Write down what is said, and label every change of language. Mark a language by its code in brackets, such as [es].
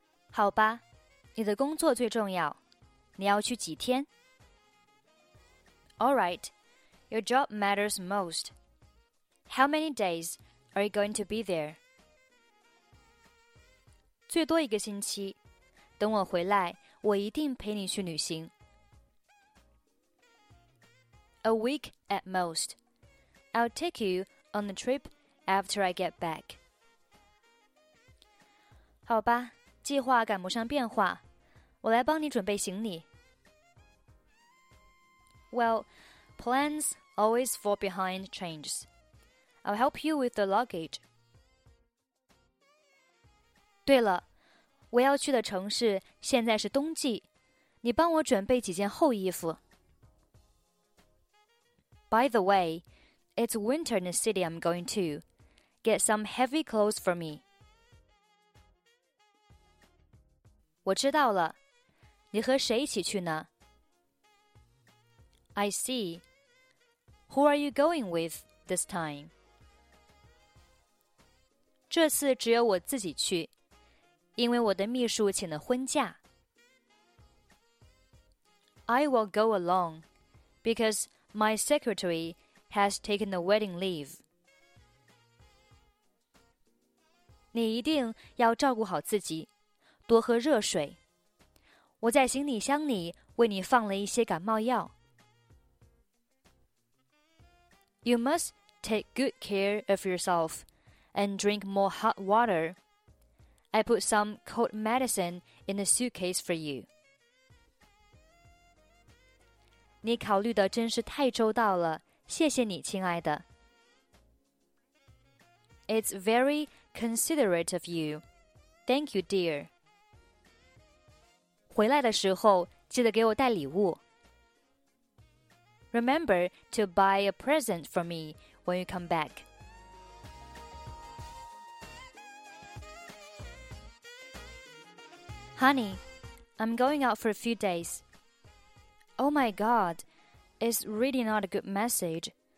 [zh] 好吧，你的工作最重要，你要去几天？ [en] All right, your job matters most. How many days are you going to be there? [zh] 最多一个星期。等我回来，我一定陪你去旅行。 [en] A week at most. I'll take you on the trip after I get back. [zh] 好吧，计划赶不上变化，我来帮你准备行李。 [en] Well, plans always fall behind changes. I'll help you with the luggage. [zh] 对了。我要去的城市现在是冬季，你帮我准备几件厚衣服。 [en] By the way, it's winter in the city I'm going to. Get some heavy clothes for me. [zh] 我知道了，你和谁一起去呢？ [en] I see. Who are you going with this time? [zh] 这次只有我自己去。因为我的秘书请了婚假。 [en] I will go along, because my secretary has taken the wedding leave. [zh] 你一定要照顾好自己，多喝热水。我在行李箱里为你放了一些感冒药。 [en] You must take good care of yourself and drink more hot water. I put some cold medicine in the suitcase for you. [zh] 你考虑的真是太周到了，谢谢你，亲爱的。 [en] It's very considerate of you. Thank you, dear. [zh] 回来的时候，记得给我带礼物。 [en] Remember to buy a present for me when you come back. Honey, I'm going out for a few days. Oh my God, it's really not a good message.